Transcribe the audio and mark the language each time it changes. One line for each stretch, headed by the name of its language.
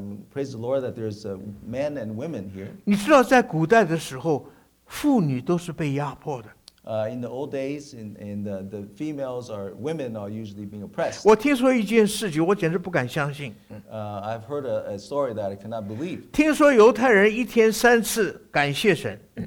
English: Praise the Lord that there's men and women here.
Chinese: 你知道，在古代的时候，妇女都是被压迫的。
English: In the old days, the females or women are usually being oppressed.
Chinese: 我听说一件事情，我简直不敢相信。
English: I've heard a story that I cannot believe.
Chinese: 听说犹太人一天三次感谢神。